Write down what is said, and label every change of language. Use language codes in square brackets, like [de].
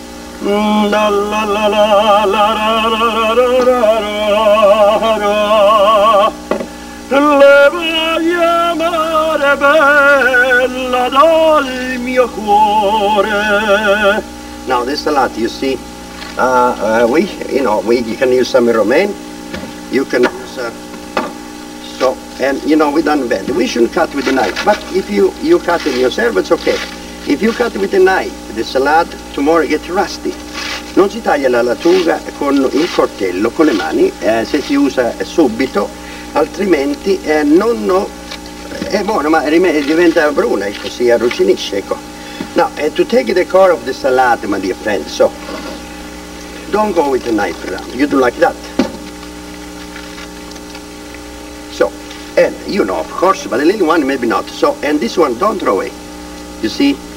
[en] La la la la la la la la la la la la la la la la la la la la la. Now this salad, you see, you can use some romaine, you can use and you know we don't bend. We shouldn't cut with the knife, but if you cut it yourself, it's okay. If you cut with a knife, the salad tomorrow gets rusty. [it] Non si taglia la lattuga con il coltello, con le mani, se si usa subito, altrimenti è buono, ma diventa bruna, ecco, si arrugginisce, ecco. [en] Now, to take the core of the salad, my dear friend, so, don't go with a knife around, you do like that. So, and you know, of course, but the little one, maybe not, so, and this one, don't throw away, you see?